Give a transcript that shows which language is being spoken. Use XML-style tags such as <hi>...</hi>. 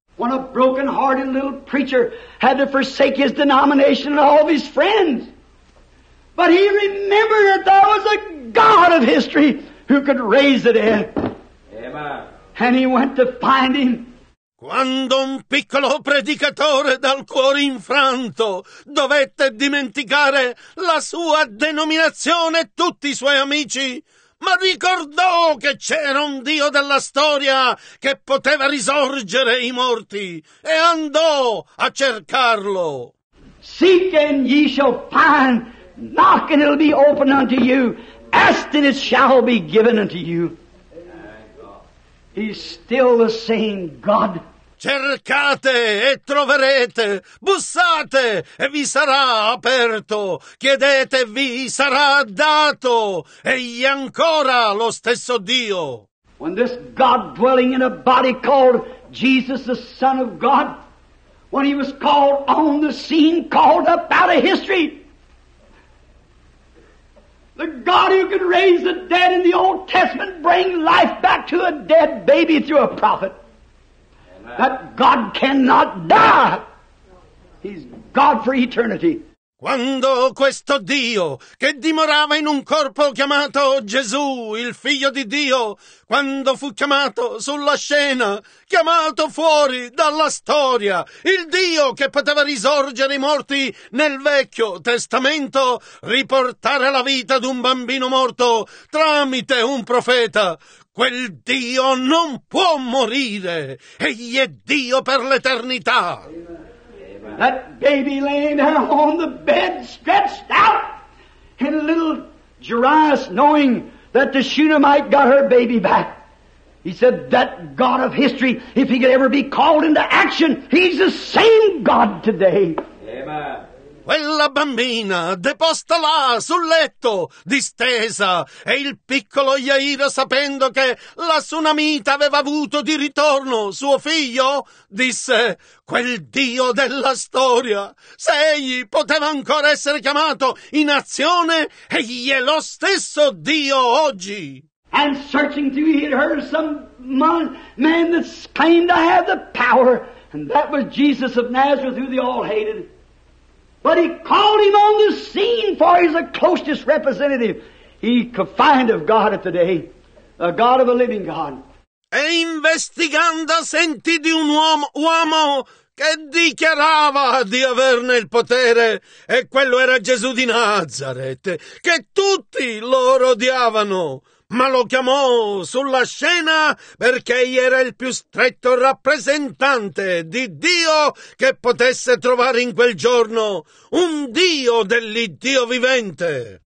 <en>When a broken-hearted little preacher had to forsake his denomination and all of his friends. But he remembered that there was a God of history who could raise the dead. Amen. And he went to find him.</en> <it>Quando un piccolo predicatore dal cuore infranto dovette dimenticare la sua denominazione e tutti i suoi amici, ma ricordò che c'era un Dio della storia che poteva risorgere i morti e andò a cercarlo.</it> <en>Seek and ye shall find, knock and it'll be opened unto you, ask and it shall be given unto you. He's still the same God.</en> <it>Cercate e troverete, bussate e vi sarà aperto, chiedete e vi sarà dato, egli è ancora lo stesso Dio.</it> <en>When this God dwelling in a body called Jesus, the Son of God, when he was called on the scene, called up out of history, the God who could raise the dead in the Old Testament, bring life back to a dead baby through a prophet. That God cannot die. He's God for eternity.</en> <it>Quando questo Dio, che dimorava in un corpo chiamato Gesù, il Figlio di Dio, quando fu chiamato sulla scena, chiamato fuori dalla storia, il Dio che poteva risorgere i morti nel Vecchio Testamento, riportare la vita ad un bambino morto tramite un profeta, quel Dio non può morire. Egli è Dio per l'eternità.</it> <en>That baby laying there on the bed, stretched out. And little Jairus, knowing that the Shunammite got her baby back, he said, that God of history, if he could ever be called into action, he's the same God today. Amen.</en> <it>Quella bambina, deposta là, sul letto, distesa, e il piccolo Jairo, sapendo che la Sunamita aveva avuto di ritorno suo figlio, disse, quel Dio della storia, se egli poteva ancora essere chiamato in azione, egli è lo stesso Dio oggi.</it> <en>And searching to hear heard some man that claimed to have the power, and that was Jesus of Nazareth, who they all hated. But he called him on the scene, for he's the closest representative he could find of God at the day, the God of a living God.</en> <it>E investigando sentì di un uomo che dichiarava di averne il potere, e quello era Gesù di Nazareth, che tutti loro odiavano. Ma lo chiamò sulla scena perché egli era il più stretto rappresentante di Dio che potesse trovare in quel giorno, un Dio dell'Iddio vivente.</it>